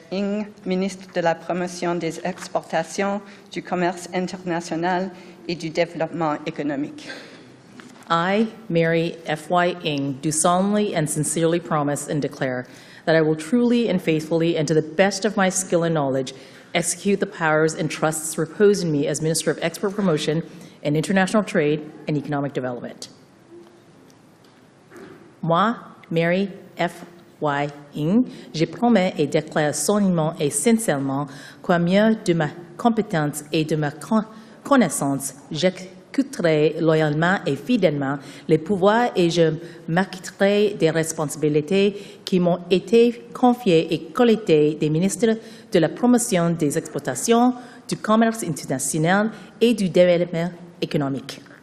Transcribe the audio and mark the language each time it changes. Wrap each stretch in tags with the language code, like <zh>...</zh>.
<fr>Ng, Ministre de la Promotion des Exportations, du Commerce International et du Développement Économique.</fr> <en>I, Mary F. Y. Ng, do solemnly and sincerely promise and declare that I will truly and faithfully and to the best of my skill and knowledge execute the powers and trusts reposed in me as Minister of Export Promotion and International Trade and Economic Development.</en> <fr>Moi, Mary F. Y. Ng, je promets et déclare solennellement et sincèrement qu'au mieux de ma compétence et de ma connaissance, j'écouterai loyalement et fidèlement les pouvoirs et je m'acquitterai des responsabilités qui m'ont été confiées et collectées des ministres de la Promotion des Exportations, du Commerce International et du Développement économique.</fr>